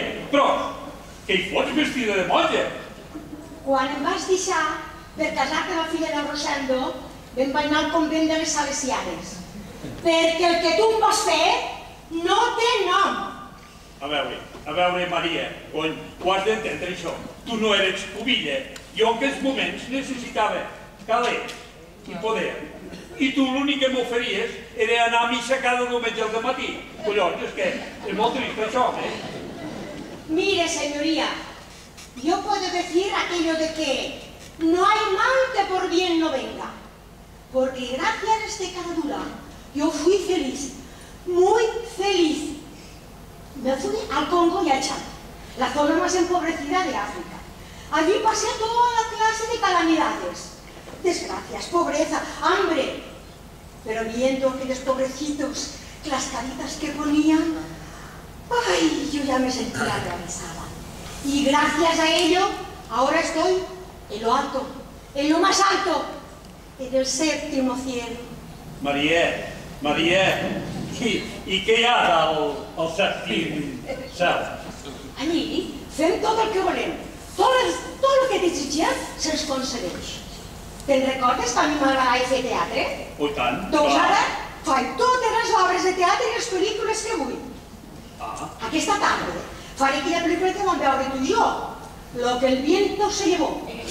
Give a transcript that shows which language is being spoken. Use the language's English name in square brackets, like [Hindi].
[Catalan] Pero, ¿qué fos vestida de monja? Quan em vas deixar per casar amb la filla de Rosendo, vam anar al convent de les Salesianes. Perquè el que tu em vas fer no té nom. A veure, Maria, cony, ho has d'entendre això. Tu no eres pobilla. Jo en aquests moments necessitava calés i poder. I tu l'únic que m'oferies era anar a missa cada diumenge al dematí. Collons, és que és molt trist això, eh? [Spanish] Mire, señoría, yo puedo decir aquello de que no hay mal que por bien no venga. Porque gracias a este caradura, yo fui feliz, muy feliz. Me fui al Congo y a Chad, la zona más empobrecida de África. Allí pasé toda clase de calamidades. Desgracias, pobreza, hambre. Pero viendo aquellos pobrecitos, las caritas que ponían, ¡ay! Yo ya me sentía realizada. Y gracias a ello, ahora estoy en lo alto, en lo más alto, en el séptimo cielo. María, ¿y qué hay al séptimo cielo? [Catalan] Allí, fem tot el que volem. Tot el que desitgem se'ns concedeix. Te'n recordes que a mi m'agrada fer teatre? I tant. Doncs ara, faig totes les obres de teatre i les pel·lícules que vull. Aquesta tarda faré aquella pel·lícula que vam veure tu i jo, Lo que el viento se llevó.